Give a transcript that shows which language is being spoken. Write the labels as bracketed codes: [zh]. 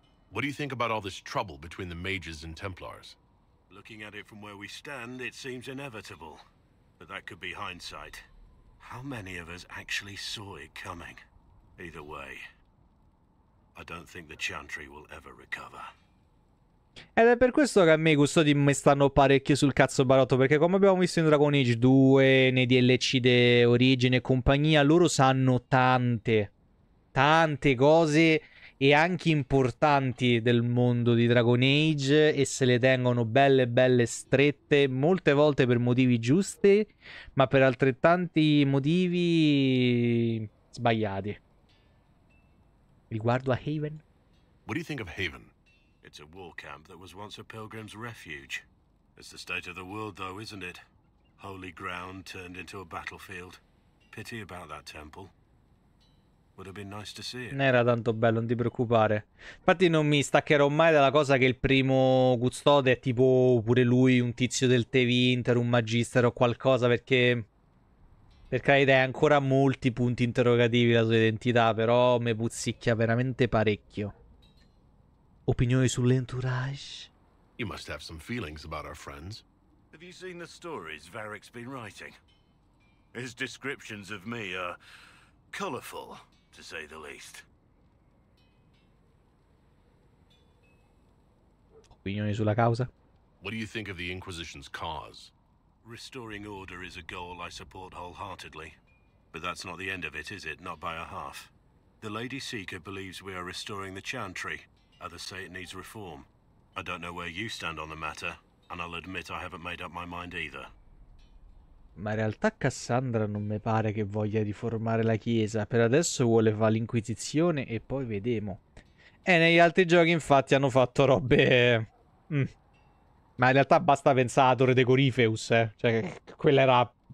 [en] What do you think about all this trouble between the mages and Templars? Looking at it from where we stand, it seems inevitable. But that could be hindsight. How many of us actually saw it coming? Either way, I don't think the Chantry will ever recover. [it] Ed è per questo che a me i custodi mi stanno parecchio sul cazzo barotto, perché come abbiamo visto in Dragon Age 2, nei DLC di Origine e compagnia, loro sanno tante cose e anche importanti del mondo di Dragon Age, e se le tengono belle strette, molte volte per motivi giusti, ma per altrettanti motivi sbagliati. Riguardo a Haven? [en] What do you think of Haven? It's a war camp that was once a pilgrim's refuge. It's the state of the world, though, isn't it? Holy ground turned into a battlefield. Pity about that temple. Would have been nice to see it. [it] Non era tanto bello, non ti preoccupare. Infatti non mi staccherò mai dalla cosa che il primo custode è tipo pure lui un tizio del Tevinter, un magister o qualcosa, perché... per carità, ha ancora molti punti interrogativi la sua identità, però mi puzzicchia veramente parecchio. Opinioni sull'entourage? [en] You must have some feelings about our friends. Have you seen the stories Varric's been writing? His descriptions of me are colorful, to say the least. [it] Opinioni sulla causa? [en] What do you think of the Inquisition's cause? Restoring order is a goal I support wholeheartedly. But that's not the end of it, is it? Not by a half. The Lady Seeker believes we are restoring the Chantry. Others say it needs reform. I don't know where you stand on the matter, and I'll admit I haven't made up my mind either. [it] Ma in realtà Cassandra non mi pare che voglia riformare la chiesa. Per adesso vuole fare l'inquisizione e poi vedemo. E negli altri giochi infatti hanno fatto robe... Ma in realtà basta pensare a Torre de Corifeus, eh. Cioè, quella era...